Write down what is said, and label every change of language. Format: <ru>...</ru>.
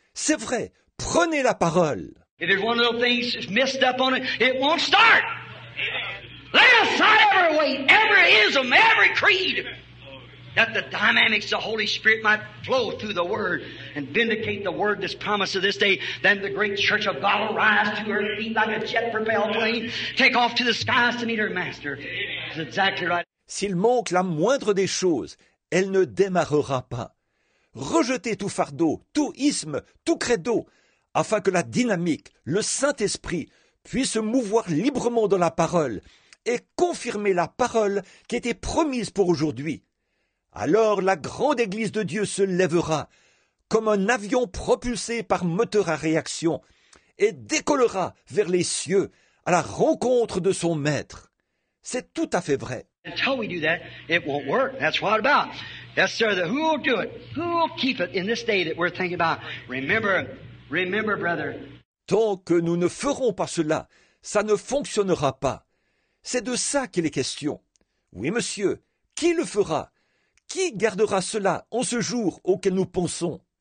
<fr>C'est vrai, prenez la parole.</fr> <en>If there's one of those things messed up on it, it won't start. Let us side every way, every ism, every creed, that the dynamics of the Holy Spirit might flow through the Word and vindicate the Word that's promised of this day. Then the great church of God will rise to her feet like a jet-propelled plane, take off to the skies to meet her master. That's exactly right.</en> <fr>S'il manque la moindre des choses, elle ne démarrera pas. Rejetez tout fardeau, tout isme, tout credo, afin que la dynamique, le Saint-Esprit, puisse se mouvoir librement dans la parole et confirmer la parole qui était promise pour aujourd'hui. Alors la grande Église de Dieu se lèvera comme un avion propulsé par moteur à réaction et décollera vers les cieux à la rencontre de son Maître. C'est tout à fait vrai.</fr> <en>Until we do that, it won't work. That's what it's about. Yes, sir. Who will do it? Who will keep it in this day that we're thinking about? Remember, brother.</en> <fr>Tant que nous ne ferons pas cela, ça ne fonctionnera pas. C'est de ça qu'il est question. Oui, monsieur, qui le fera? Qui gardera cela en ce jour auquel nous pensons?</fr>